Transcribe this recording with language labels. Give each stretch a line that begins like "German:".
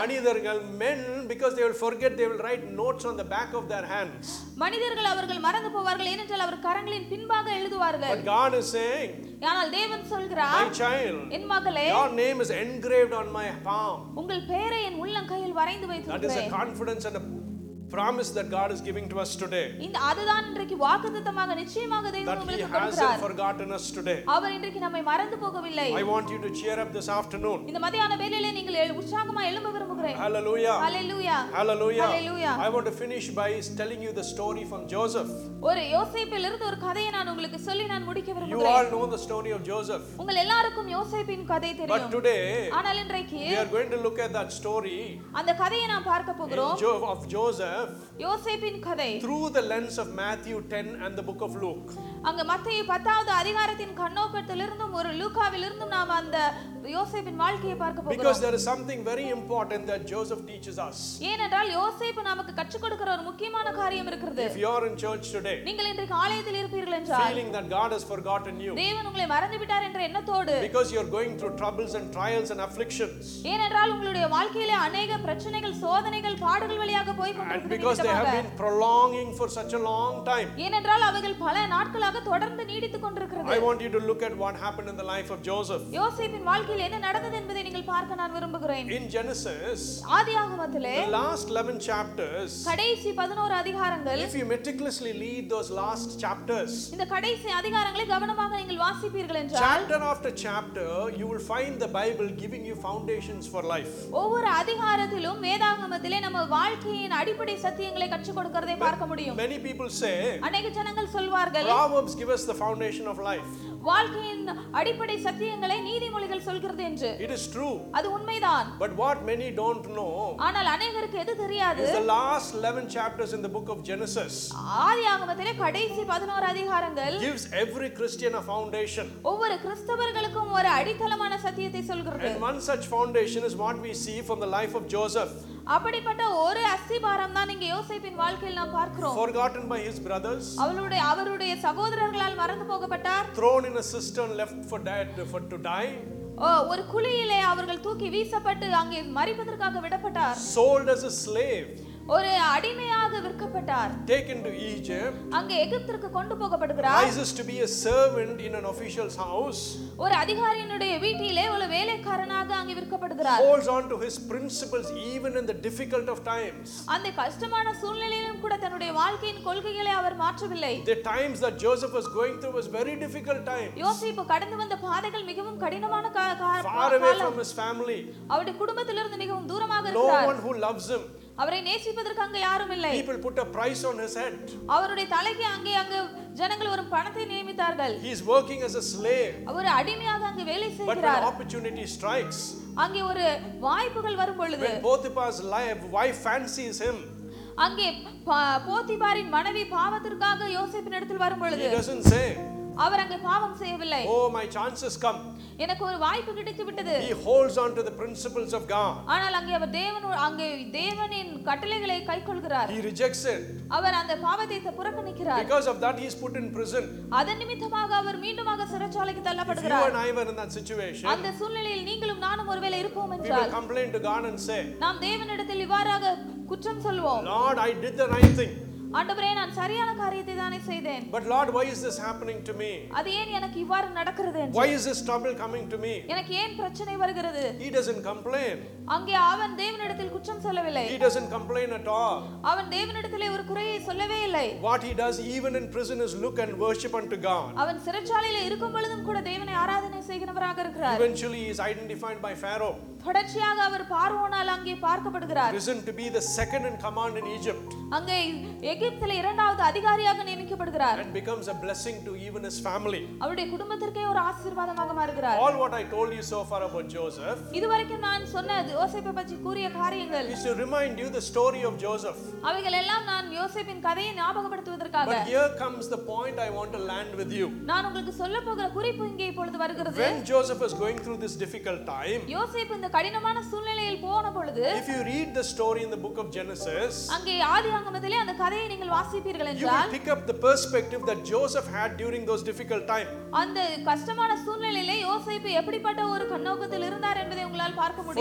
Tamil: மனிதர்கள்
English: men because they will forget they will write notes on the back of their hands.
Tamil: மனிதர்கள் அவர்கள் மறந்து போவார்கள் ஏனென்றால் அவர் கரங்களின் பின்பாக எழுதுவார்கள்.
English: But God is saying.
Tamil: ஆனால் தேவன் சொல்கிறார்.
English: My child.
Tamil: என் மகளே.
English: Your name is engraved on my palm.
Tamil: உங்கள் பெயரை என் உள்ள கையில் வரைந்து வைத்திருக்கிறேன்.
English: That is a confidence and a promise that God is giving to us today.
Tamil: இந்த அதுதான் இன்றைக்கு வாக்குத்தத்தமாக நிச்சயமாக தேவன் உங்களுக்கு கொடுக்கிறார்.
English: That he hasn't forgotten us today.
Tamil: அவர் இன்றைக்கு நம்மை மறந்து போகவில்லை.
English: I want you to cheer up this afternoon.
Tamil: இந்த மதியான வேளையிலே நீங்கள் உற்சாகமாக எழும்ப விரும்புகிறேன்.
English: Hallelujah.
Tamil: Hallelujah.
English: Hallelujah.
Tamil: Hallelujah.
English: I want to finish by telling you the story from Joseph.
Tamil: ஒரு யோசேப்பிலிருந்து ஒரு கதையை நான் உங்களுக்கு சொல்லி நான் முடிக்க விரும்புகிறேன்.
English: You all know the story of Joseph.
Tamil: உங்கள் எல்லாருக்கும் யோசேப்பின் கதை தெரியும்.
English: But today,
Tamil: ஆனால் இன்றைக்கு
English: we are going to look at that story.
Tamil: அந்த கதையை நாம் பார்க்க போகிறோம்.
English: Of Joseph.
Tamil: யோசேப்பின் கதை
English: through the lens of Matthew 10 and the book of Luke.
Tamil: அங்க மத்தேயு 10வது அதிகாரத்தின் கண்ணோக்கத்திலிருந்தும் ஒரு லூக்காவிலிருந்தும் நாம் அந்த யோசேப்பின் வாழ்க்கையை பார்க்க போகிறோம்.
English: Because there is something very important that Joseph teaches us.
Tamil: ஏனென்றால் யோசேப்பு நமக்கு கற்றுக் கொடுக்கிற ஒரு முக்கியமான காரியம் இருக்கிறது.
English: If you are in church today.
Tamil: நீங்கள் இன்றைக்கு ஆலயத்தில் இருப்பீர்கள் என்றால்
English: feeling that God has forgotten you.
Tamil: தேவன் உங்களை மறந்து விட்டார் என்ற எண்ணத்தோடு
English: because you are going through troubles and trials and afflictions.
Tamil: ஏனென்றால் உங்களுடைய வாழ்க்கையிலே அநேக பிரச்சனைகள் சோதனைகள் பாடுகள் வழியாக போய் கொண்டிருக்கிறது.
English: Because they have been prolonging for such a long time.
Tamil: ஏனென்றால் அவைகள் பல நாட்களாக தொடர்ந்து நீடித்துக் கொண்டிருக்கிறது.
English: I want you to look at what happened in the life of Joseph.
Tamil: யோசேப்பின் வாழ்க்கையில் என்ன நடந்தது என்பதை நீங்கள் பார்க்க நான் விரும்புகிறேன்.
English: In Genesis.
Tamil: ஆதியாகமத்திலே.
English: The last 11 chapters.
Tamil: கடைசி 11 அதிகாரங்கள்.
English: If you meticulously read those last chapters.
Tamil: இந்த கடைசி அதிகாரங்களை கவனமாக நீங்கள் வாசிப்பீர்கள் என்றால்
English: chapter after chapter you will find the Bible giving you foundations for life.
Tamil: ஒவ்வொரு அதிகாரத்திலும் வேதாகமத்திலே நம்ம வாழ்க்கையின் அடிப்படை சத்தியங்களை கற்றுக் கொடுக்கிறதை பார்க்க முடியும்.
English: Many people say.
Tamil: அநேக ஜனங்கள் சொல்வார்கள்.
English: Proverbs give us the foundation of life.
Tamil: வாழ்க்கையின் அடிப்படை சத்தியங்களை நீதிமொழிகள் சொல்கிறது என்று.
English: It is true.
Tamil: அது உண்மைதான்.
English: But what many don't know.
Tamil: ஆனால் அநேகருக்கு எது தெரியாது.
English: The last 11 chapters in the book of Genesis.
Tamil: ஆதியாகமத்திலே கடைசி 11 அதிகாரங்கள்
English: gives every Christian a foundation.
Tamil: ஒவ்வொரு கிறிஸ்தவர்களுக்கும் ஒரு அடித்தளமான சத்தியத்தை சொல்கிறது.
English: And one such foundation is what we see from the life of Joseph.
Tamil: அப்படிப்பட்ட ஒரு அஸ்திபாரம் தான் இங்க யோசேப்பின் வாழ்க்கையில் நாம் பார்க்கிறோம்.
English: Forgotten by his brothers.
Tamil: அவருடைய சகோதரர்களால் மறந்து போகப்பட்டார்.
English: Thrown in a cistern left for dead for to die.
Tamil: ஒரு குழியிலே அவர்கள் தூக்கி வீசப்பட்டு அங்கே மரிப்பதற்காக விடப்பட்டார்.
English: Sold as a slave.
Tamil: ஒரு அடிமையாக விற்கப்பட்டார்.
English: Taken to Egypt.
Tamil: அங்க எகிப்திற்கு கொண்டு போகப்படுகிறார்.
English: Rises to be a servant in an official's house.
Tamil: ஒரு அதிகாரியினுடைய வீட்டிலே ஒரு வேலைக்காரனாக அங்க விற்கப்படுகிறார்.
English: Holds on to his principles even in the difficult of times.
Tamil: அந்த கஷ்டமான சூழ்நிலையிலும் கூட தன்னுடைய வாழ்க்கையின் கொள்கைகளை அவர் மாற்றவில்லை.
English: The times that Joseph was going through was very difficult times.
Tamil: யோசேப்பு கடந்து வந்த பாதைகள் மிகவும் கடினமான காலம்.
English: Far away from his family.
Tamil: அவருடைய குடும்பத்திலிருந்து மிகவும் தூரமாக இருக்கிறார்.
English: No one who loves him.
Tamil: அவரை நேசிப்பதற்கு அங்கு யாரும் இல்லை.
English: People put a price on his head.
Tamil: அவருடைய தலைக்கு அங்கு ஜனங்கள் ஒரு பணத்தை நியமித்தார்கள்.
English: He is working as a slave.
Tamil: அவர் அடிமையாக அங்கு வேலை செய்கிறார்.
English: But an opportunity strikes.
Tamil: அங்கே ஒரு வாய்ப்புகள் வரும் பொழுது.
English: When Potiphar's wife fancies him.
Tamil: அங்கே போத்திபாரின் மனைவி பாவத்திற்காக யோசேப்பின் இடத்தில் வரும் பொழுது.
English: He doesn't say.
Tamil: அவர் அங்கே பாவம் செய்யவில்லை.
English: Oh, my chances come.
Tamil: எனக்கு ஒரு வாய்ப்பு கிடைத்து விட்டது.
English: He holds on to the principles of God.
Tamil: ஆனால் அங்கே அவர் தேவனின் கட்டளைகளை கைக்கொள்கிறார்.
English: He rejects it.
Tamil: அவர் அந்த பாவத்தை புறக்கணிக்கிறார்.
English: Because of that he is put in prison.
Tamil: அதன் நிமித்தமாக அவர் மீண்டுமாக சிறைச்சாலைக்கு தள்ளப்படுகிறார்.
English: If you and I were in that situation.
Tamil: அந்த சூழ்நிலையில் நீங்களும் நானும் ஒருவேளை இருப்போம் என்றால்.
English: We will complain to God and say.
Tamil: நாம் தேவனிடத்தில் இவ்வாறாக குற்றம் சொல்வோம்.
English: Lord, I did the right thing.
Tamil: ஆண்டவரே நான் சரியான காரியத்தை தானே செய்தேன்.
English: But Lord, why is this happening to me?
Tamil: அது ஏன் எனக்கு இவ்வாறு நடக்கிறது?
English: Why is this trouble coming to me?
Tamil: எனக்கு ஏன் பிரச்சனை வருகிறது?
English: He doesn't complain.
Tamil: அங்கே அவன் தேவனிடத்தில் குற்றம் சொல்லவில்லை.
English: He doesn't complain at all.
Tamil: அவன் தேவனிடத்திலே ஒரு குறையை சொல்லவே இல்லை.
English: What he does even in prison is look and worship unto God.
Tamil: அவன் சிறைச்சாலையில் இருக்கும் பொழுதும் கூட தேவனை ஆராதனை செய்கிறவராக இருக்கிறார்.
English: Eventually he is identified by Pharaoh.
Tamil: தொடர்ச்சியாக அவர் பார்வோனால் அங்கே பார்க்கப்படுகிறார்.
English: Risen to be the second in command in Egypt.
Tamil: அங்கே எகிப்தில் இரண்டாவது அதிகாரியாக நியமிக்கப்படுகிறார்.
English: And becomes a blessing to even his family.
Tamil: அவருடைய குடும்பத்திற்கே ஒரு ஆசீர்வாதமாக மாறுகிறார்.
English: All what I told you so far about Joseph.
Tamil: இதுவரைக்கும் நான் சொன்ன யோசேப்பை பற்றி கூறிய காரியங்கள்.
English: Is to remind you the story of Joseph.
Tamil: அவைகள் எல்லாம் நான் யோசேப்பின் கதையை ஞாபகப்படுத்துவதற்காக.
English: But here comes the point I want to land with you.
Tamil: நான் உங்களுக்கு சொல்ல போகிற குறிப்பு இங்கே இப்பொழுது வருகிறது.
English: When Joseph was going through this difficult time.
Tamil: யோசேப்பு கடினமான சூழ்நிலையில் போன பொழுது.
English: If you read the story in the book of Genesis.
Tamil: அங்கே ஆதியாகமத்திலே அந்த கதையை நீங்கள் வாசிப்பீர்கள் என்றால்.
English: You will pick up the perspective that Joseph had during those difficult times.
Tamil: அந்த கஷ்டமான சூழ்நிலையிலே யோசேப்பு எப்படிப்பட்ட ஒரு கண்ணோக்கத்தில் இருந்தார் என்பதை உங்களால் பார்க்க முடியும்.